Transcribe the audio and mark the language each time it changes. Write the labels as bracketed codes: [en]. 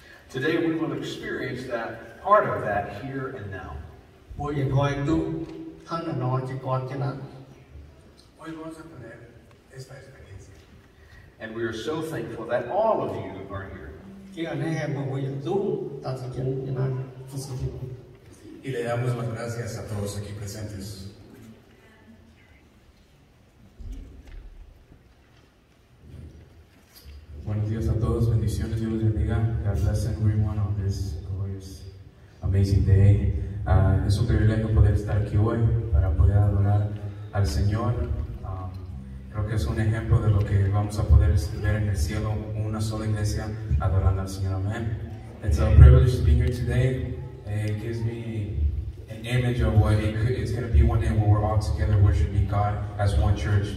[en] Today we will experience that part of that here and now. And we are so thankful that all of you are here. [es] Y le damos las gracias a todos aquí presentes. Buenos días a todos, bendiciones, Dios les bendiga. [en] God bless everyone on this glorious, amazing day. [es] Es un privilegio poder estar aquí hoy para poder adorar al Señor. Creo que es un ejemplo de lo que vamos a poder ver en el cielo, una sola iglesia adorando al Señor. [en] Amen. It's a privilege to be here today. It gives me an image of what it's going to be one day when we're all together worshiping God as one church.